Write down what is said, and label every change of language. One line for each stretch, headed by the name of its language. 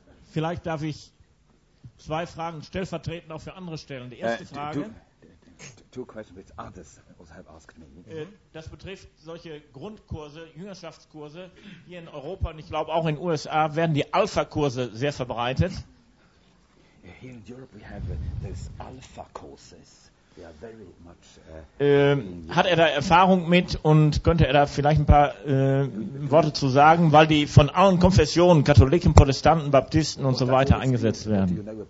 German: Vielleicht darf ich zwei Fragen stellvertretend auch für andere stellen. Die erste Frage.
English: Two questions which others also have asked me.
German: Das betrifft solche Grundkurse, Jüngerschaftskurse hier in Europa und ich glaube auch in den USA werden die Alpha-Kurse sehr verbreitet.
English: Here in Europe we have those Alpha courses. They are very much.
German: Hat er da Erfahrung mit und könnte er da vielleicht ein paar Worte zu sagen, weil die von allen Konfessionen, Katholiken, Protestanten, Baptisten und so weiter eingesetzt werden?